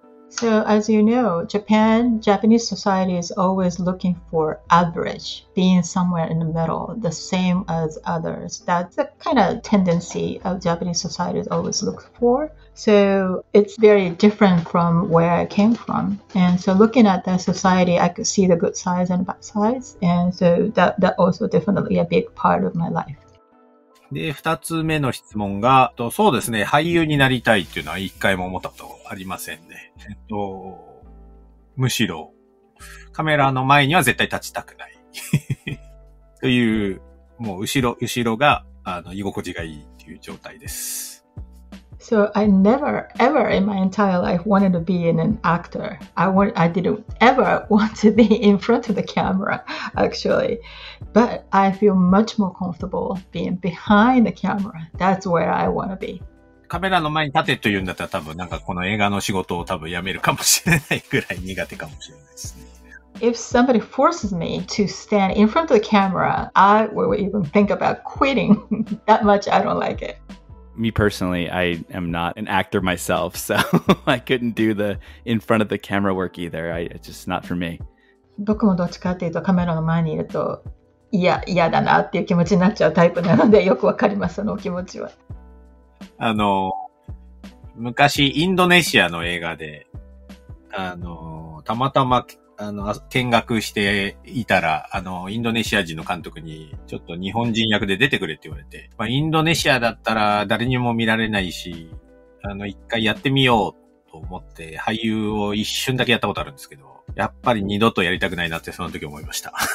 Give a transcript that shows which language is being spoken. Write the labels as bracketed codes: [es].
[en] So as you know, Japan, Japanese society is always looking for average, being somewhere in the middle, the same as others. That's a kind of tendency of Japanese society is always look for. So it's very different from where I came from. And so looking at that society, I could see the good sides and bad sides. And so that also definitely a big part of my life. [ja] で、二つ目の質問が、そうですね、俳優になりたいっていうのは一回も思ったことありませんね。むしろ、カメラの前には絶対立ちたくない。という、もう後ろが、居心地がいいっていう状態です。 [en] So I never ever in my entire life wanted to be an actor. I didn't ever want to be in front of the camera, actually. But I feel much more comfortable being behind the camera. That's where I want to be. [ja] カメラの前に立てというんだったら、多分なんかこの映画の仕事を多分辞めるかもしれないぐらい苦手かもしれないですね。 [en] If somebody forces me to stand in front of the camera, I will even think about quitting. That much I don't like it. Me personally, I am not an actor myself, so I couldn't do the in front of the camera work either. It's just not for me. [ja] 僕もどっちかっていうとカメラの前にいると嫌だなっていう気持ちになっちゃうタイプなのでよくわかります、その気持ちは。昔インドネシアの映画でたまたま見学していたら、インドネシア人の監督にちょっと日本人役で出てくれって言われて、まあ、インドネシアだったら誰にも見られないし、一回やってみようと思って俳優を一瞬だけやったことあるんですけど、やっぱり二度とやりたくないなってその時思いました。